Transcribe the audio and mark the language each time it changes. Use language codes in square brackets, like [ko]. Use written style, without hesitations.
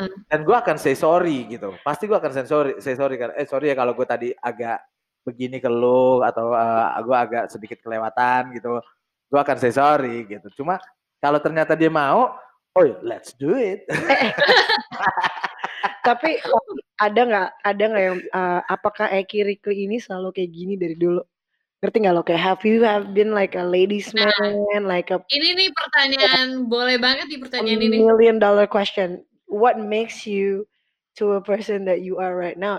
[id] Dan gue akan say sorry gitu, pasti gue akan say sorry kan, sorry ya kalau gue tadi agak begini ke lo atau gue agak sedikit kelewatan gitu, gue akan say sorry gitu. Cuma kalau ternyata dia mau, [en] oh let's do it. [id] Tapi ada nggak yang apakah Eki Riko ini selalu kayak gini dari dulu? Ngerti nggak lo, kayak [en] have you been like a ladies man, nah, like a, [id] ini nih pertanyaan, boleh banget nih pertanyaan ini, [en] million dollar question. What makes you to a person that you are right now?